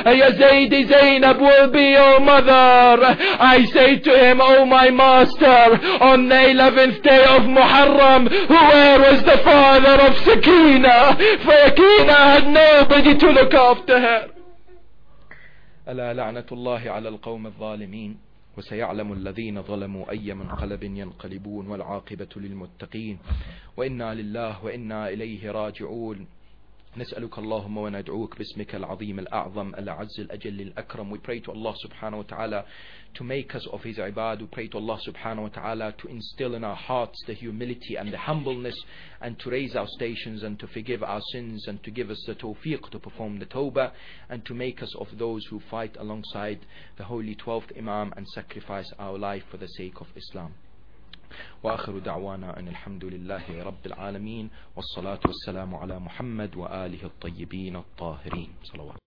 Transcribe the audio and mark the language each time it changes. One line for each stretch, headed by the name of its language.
English: Ya Zaydi Zainab will be your mother." I say to him, "Oh my master, on the 11th day of Muharram, where was the father of Sakina?" For Sakina had nobody to look after her.
Arabic: ألا لعنة الله على القوم الظالمين وسيعلم الذين ظلموا أي منقلب ينقلبون والعاقبة للمتقين وإنا لله وإنا إليه راجعون. نسألك اللهم وندعوك باسمك العظيم الأعظم العز الأجل الأكرم.
English: We pray to Allah subhanahu wa ta'ala to make us of his ibad. We pray to Allah subhanahu wa ta'ala to instill in our hearts the humility and the humbleness, and to raise our stations and to forgive our sins, and to give us the tawfiq to perform the tawbah, and to make us of those who fight alongside the holy 12th Imam and sacrifice our life for the sake of Islam.
Arabic: وآخر دعوانا أن الحمد لله رب العالمين والصلاة والسلام على محمد وآله الطيبين الطاهرين صلوات.